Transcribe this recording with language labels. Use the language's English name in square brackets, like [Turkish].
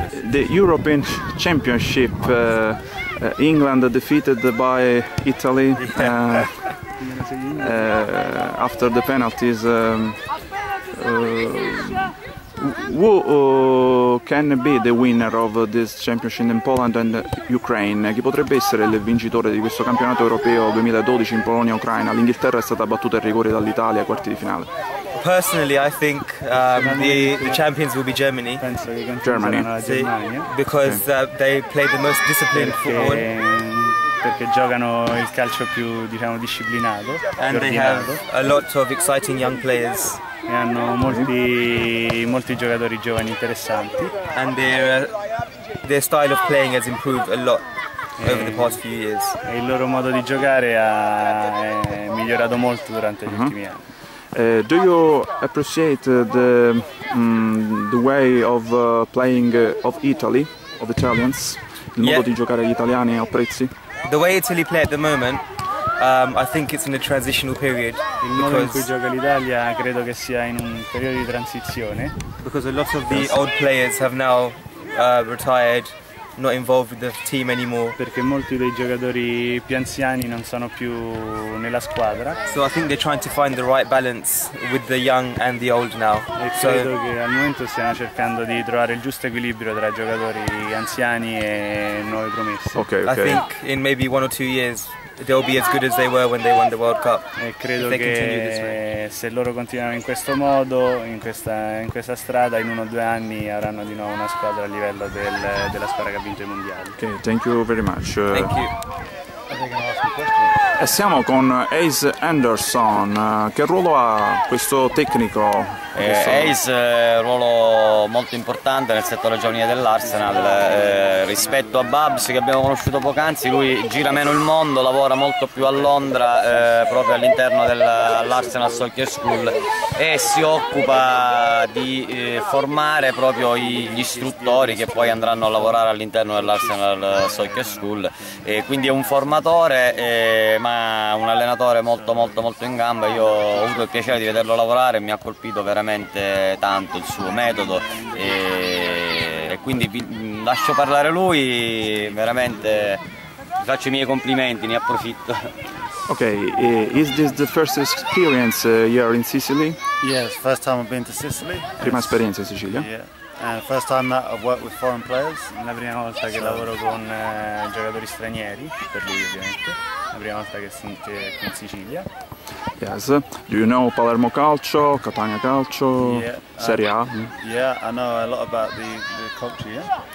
[English] The European Championship, England defeated by Italy after the penalties. who can be the winner of this championship in Poland and Ukraine? [Italian] Chi potrebbe essere il vincitore di questo campionato europeo 2012 in Polonia e Ucraina? L'Inghilterra è stata battuta in rigore dall'Italia ai quarti di finale. [English] Personally, I think the champions will be Germany. Germany. Because they play the most disciplined football. [Italian] Perché giocano il calcio più, diciamo, disciplinato. [English] And they have a lot of exciting young players. [Italian] E hanno molti, molti giocatori giovani interessanti. [English] And their style of playing has improved a lot over the past few years. [Italian] E il loro modo di giocare è migliorato molto durante gli ultimi anni. [English] Do you appreciate the way of playing of Italy, of Italians? [Italian] Il modo di giocare agli italiani, apprezzi? [English] The way Italy play at the moment, I think it's in a transitional period. [Italian] Il modo in cui gioca l'Italia credo che sia in un periodo di transizione. [English] Because a lot of the old players have now retired, not involved with the team anymore. [Italian] Perché molti dei giocatori più anziani non sono più nella squadra. [English] So I think they're trying to find the right balance with the young and the old now. [Italian] E credo che al momento stiano cercando di trovare il giusto equilibrio tra giocatori anziani e nuove promesse. [English] Okay, okay. I think in maybe one or two years they'll be as good as they were when they won the World Cup. [Italian] E credo che se loro continuano in questo modo, in questa strada, in uno o due anni avranno di nuovo una squadra a livello della squadra che ha vinto i mondiali. [English] Okay, thank you very much. Thank you. [Italian] E siamo con Ace Anderson. Che ruolo ha questo tecnico? Ace è un ruolo molto importante nel settore giovanile dell'Arsenal. Rispetto a Babs, che abbiamo conosciuto poc'anzi, lui gira meno il mondo, lavora molto più a Londra, proprio all'interno dell'Arsenal Soccer School, e si occupa di formare proprio gli istruttori che poi andranno a lavorare all'interno dell'Arsenal Soccer School. Quindi è un formatore, ma un allenatore molto molto molto in gamba. Io ho avuto il piacere di vederlo lavorare e mi ha colpito veramente tanto il suo metodo, e quindi lascio parlare lui, veramente vi faccio i miei complimenti, ne approfitto. [English] Ok, is this the first experience here in Sicily? Yes, first time I've been to Sicily. [Italian] Prima esperienza in Sicilia? [English] Yeah, and first time that I've worked with foreign players. [Italian] La prima volta che lavoro con giocatori stranieri, per lui ovviamente. La prima volta che sono qui in Sicilia. [English] Yes, do you know Palermo Calcio, Catania Calcio, yeah, Serie A? Yeah, I know a lot about the culture, yeah?